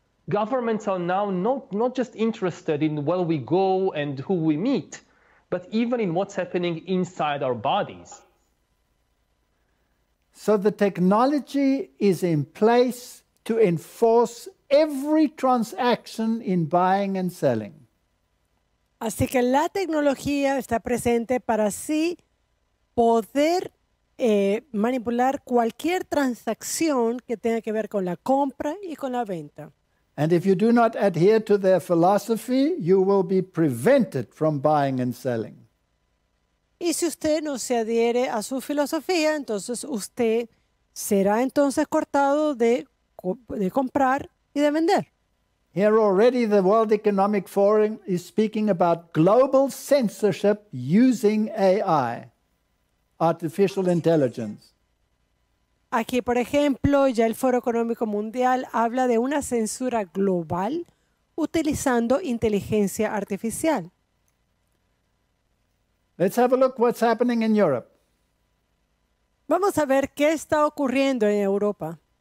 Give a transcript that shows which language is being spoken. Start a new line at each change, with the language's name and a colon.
English: Governments are now not just interested in where we go and who we meet, but even in what's happening inside our bodies. So the technology is in place to enforce every transaction in buying and selling.
Spanish: Así que la tecnología está presente para así poder manipular cualquier transacción que tenga que ver con la compra y con la venta.
English: And if you do not adhere to their philosophy, you will be prevented from buying and selling.
Spanish: Y si usted no se adhiere a su filosofía, entonces usted será entonces cortado de comprar y de vender.
English: Here already the World Economic Forum is speaking about global censorship using AI, artificial intelligence.
Spanish: Aquí, por ejemplo, ya el Foro Económico Mundial habla de una censura global utilizando inteligencia artificial.
English: Let's have a look what's happening in Europe.
Spanish: Vamos a ver qué está ocurriendo en Europa.